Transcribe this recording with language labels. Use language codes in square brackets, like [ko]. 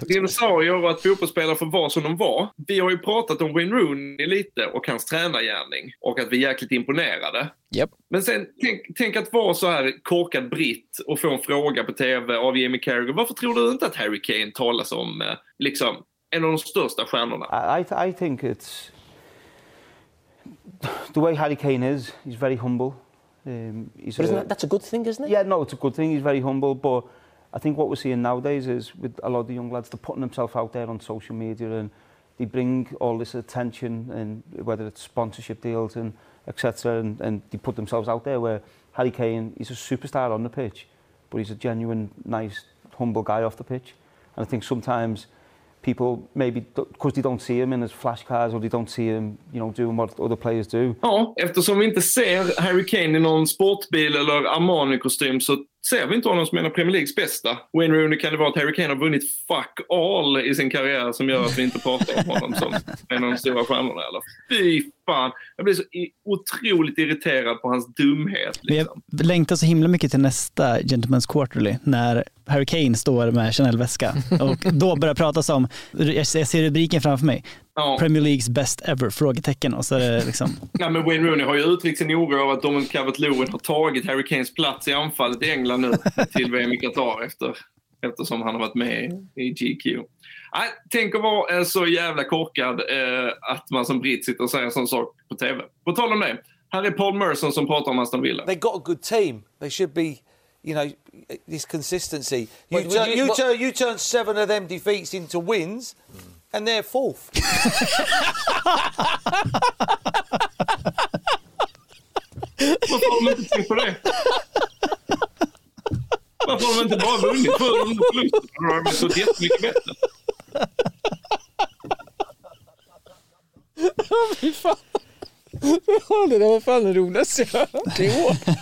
[sv] Dinosaurier och att fotbollsspelare får vara som de var. Vi har ju pratat om Wayne Rooney lite och hans tränargärning. Och att vi är jäkligt imponerade. [en] Yep. [sv] Men sen, tänk att vara så här korkad britt och få en fråga på tv av Jamie Carragher. Varför tror du inte att Harry Kane talas om liksom en av de största stjärnorna? [en] I think it's the way Harry Kane is, he's very humble. That's a good thing, isn't it? Yeah, no, it's a good thing. He's very humble. But I think what we're seeing nowadays is with a lot of the young lads, they're putting themselves out there on social media and they bring all this attention, and whether it's sponsorship deals and et cetera, and they put themselves out there, where Harry Kane, he's a superstar on the pitch, but he's a genuine, nice, humble guy off the pitch. And I think sometimes people maybe, because they don't see him in his flash cars, or they don't see him, you know, doing what other players do. [sv] Ja, eftersom vi inte ser Harry Kane i någon sportbil eller Armani-kostym, så ser vi inte honom som en av Premier Leagues bästa. Wayne Rooney kan det vara att Harry Kane har vunnit [en] fuck all [sv] i sin karriär, som gör att vi inte pratar om honom som en av de stora stjärnorna. Eller? Fy fan, jag blir så otroligt irriterad på hans dumhet. Liksom. Jag längtar så himla mycket till nästa Gentleman's Quarterly, när Harry Kane står med Chanel-väska och då börjar pratas om, jag ser rubriken framför mig, ja. Premier Leagues [en] best ever, [sv] frågetecken, och så är det liksom... Ja, men Wayne Rooney har ju uttryckt sin oro av att Dominic Calvert-Lewin har tagit Harry Kanes plats i anfallet i England nu till VM i Qatar eftersom han har varit med i GQ. Nej, tänk att vara så jävla korkad att man som britt sitter och säger en sån sak på tv. På tal om det, här är Paul Merson som pratar om Aston Villa. [en] They got a good team, they should be, you know, this consistency. You turn seven of them defeats into wins, and they're fourth. [sv] Varför har de inte tänkt på det? Varför har de inte bara vunnit? För de förlorar med så jättemycket bättre. Fy fan. Det var fan det roligaste jag har hört i år.